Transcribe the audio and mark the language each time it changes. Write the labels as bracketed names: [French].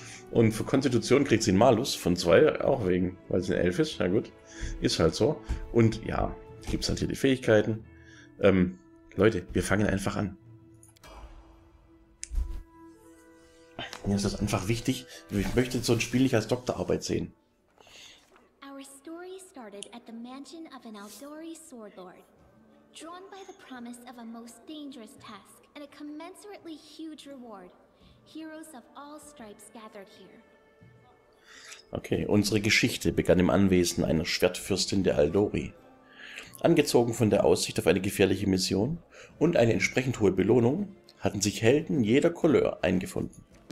[German] Und für Konstitution kriegt sie einen Malus von 2, auch wegen, weil sie ein Elf ist. Na gut, ist halt so. Und ja, gibt es halt hier die Fähigkeiten. Leute, wir fangen einfach an. Mir ist das einfach wichtig. Ich möchte so ein Spiel nicht als Doktorarbeit sehen. [English] Our story started at the mansion of an Aldori Swordlord. Drawn by the promise of a most dangerous task and a commensurately huge reward. Heroes of all stripes gathered here. [German] Okay, unsere Geschichte begann im Anwesen einer Schwertfürstin der Aldori. Angezogen von der Aussicht auf eine gefährliche Mission und eine entsprechend hohe Belohnung, hatten sich Helden jeder Couleur eingefunden.